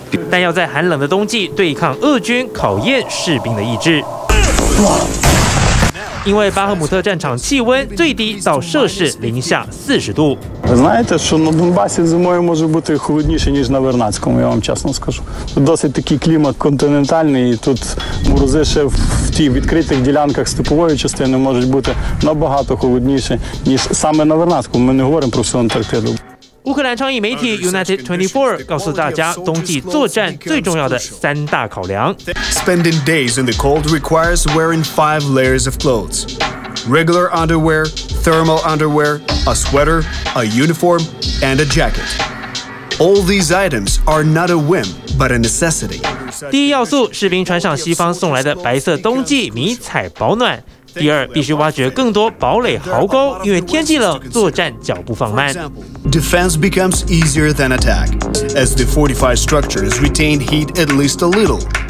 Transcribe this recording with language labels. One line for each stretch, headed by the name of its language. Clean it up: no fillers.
Chinese: 但要在寒冷的冬季对抗俄军，考验士兵的意志。因为巴赫姆特战场气温最低到摄氏零下四十度。
Ukrainian: Знаєте, що на Донбасі зимою може бути холодніше, ніж на Вернадському, я вам чесно скажу. Досить такий клімат континентальний, і тут морози ще в тих відкритих ділянках степової частини можуть бути набагато холодніше, ніж саме на Вернадському. Ми не говоримо про всю Антарктиду.
Chinese: 乌克兰倡议媒体 United 24告诉大家，冬季作战最重要的三大考量。
English: Spending days in the cold requires wearing five layers of clothes: regular underwear, thermal underwear, a sweater, a uniform, and a jacket. All these items are not a whim, but a necessity.
Chinese: 第一要素，士兵穿上西方送来的白色冬季迷彩保暖。第二，必须挖掘更多堡垒壕沟，因为天气冷，作战脚步放慢。
English: Defense becomes easier than attack, as the fortified structures retain heat at least a little.